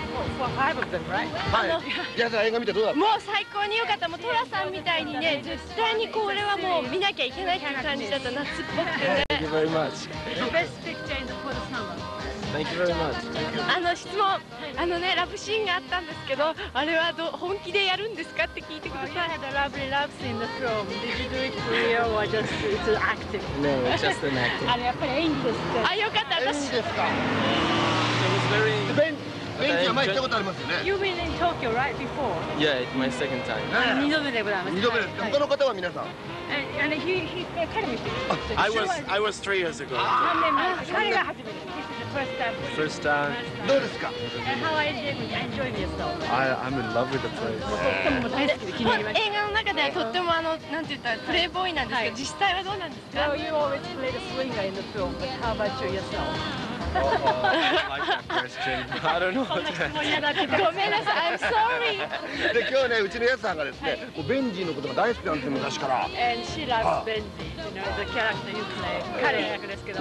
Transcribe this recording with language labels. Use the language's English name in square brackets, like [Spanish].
[Japanese] はい、皆さん映画見てどうだった、もう最高に良かった、もうトラさんみたいにね、絶対にこれはもう見なきゃいけないっていう感じだった、夏っぽくてね、 [English] Thank you very much. The best picture in the for the summer. Thank you very much. [Japanese] あの質問、あのね、ラブシーンがあったんですけど、あれは本気でやるんですかって聞いてください。 [English] Well, you had a lovely love scene in the film. Did you do it for real or just it's acting? No, it's just an acting. [Japanese] あれやっぱり演技ですか。あ、よかった。演技ですか。 [English] It was very. [Japanese] ベンチは前行ったことありますよね。 [English] You've been in Tokyo right before. Yeah, it's my second time. [Japanese] 二度目でございます。二度目です。他の方は皆さん。 [English] And he [Japanese] 彼も。 [English] I was 3 years ago. [Japanese] 何年前？彼が初めて。 [English] First time. [Japanese] どうですか？ [English] And how I did? Enjoy yourself. I'm in love with the place. [Japanese] 映画の中ではとってもあのなんて言ったらプレイボーイなんですけど、実際はどうなんですか？ [English] So you always played a swinger in the film, but how about you yourself? Oh, I like that question. I don't know. I'm sorry. [Japanese] で今日ね、うちのやつさんがですね、もうベンジーのことが大好きなんですよ、昔から。 [English] And she loves Benji, you know, the character you play. [Japanese] 彼役ですけど。